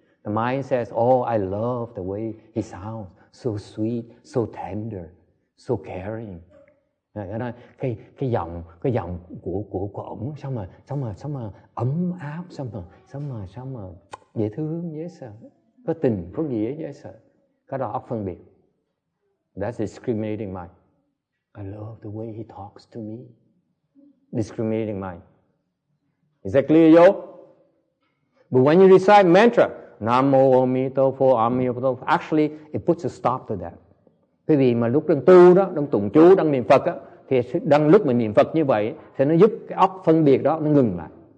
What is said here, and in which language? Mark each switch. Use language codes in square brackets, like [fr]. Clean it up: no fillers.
[en] The mind says, "Oh, I love the way he sounds, so sweet, so tender, so caring." [vi] Cái giọng của ổng sao mà ấm áp, sao mà dễ thương, dễ sợ. Có tình, có nghĩa, dễ sợ. Cái đó óc phân biệt. [en] That's discriminating mind. I love the way he talks to me. Discriminating mind. Is that clear, yo? But when you recite mantra, Namo Amitabha, Amitabha, actually, it puts a stop to that. [vi] Quý vị mà lúc đang tu đó, đang tụng chú, đang niệm Phật á, thì đang lúc mình niệm Phật như vậy, thì nó giúp cái óc phân biệt đó, nó ngừng lại.